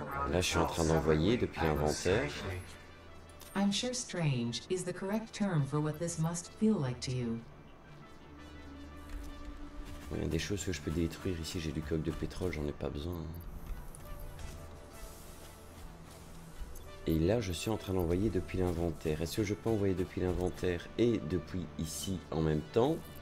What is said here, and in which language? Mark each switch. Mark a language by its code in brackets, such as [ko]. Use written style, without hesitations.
[fr] Là, je suis en train d'envoyer depuis l'inventaire. [en] I'm sure strange is the correct term for what this must feel like to you. [fr] Il y a des choses que je peux détruire ici, j'ai du coke de pétrole, j'en ai pas besoin. Et là, je suis en train d'envoyer depuis l'inventaire. Est-ce que je peux envoyer depuis l'inventaire et depuis ici en même temps?